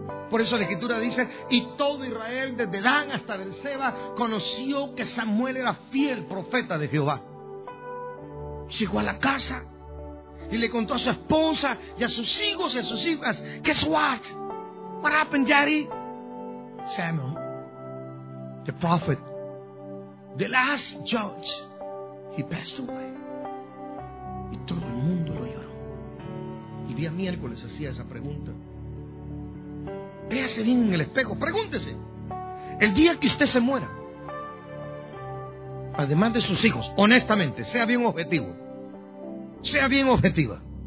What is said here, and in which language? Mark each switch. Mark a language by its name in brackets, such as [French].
[Spanish] Por eso la Escritura dice, y todo Israel, desde Dan hasta Berseba, conoció que Samuel era fiel profeta de Jehová. Llegó a la casa y le contó a su esposa y a sus hijos y a sus hijas. [English] Guess what? What happened, daddy? Samuel, the prophet, the last judge, he passed away. [Spanish] Y todo el mundo lo lloró. Y día miércoles hacía esa pregunta. Véase bien en el espejo, pregúntese. El día que usted se muera, además de sus hijos, honestamente, sea bien objetivo. Sea bien objetiva.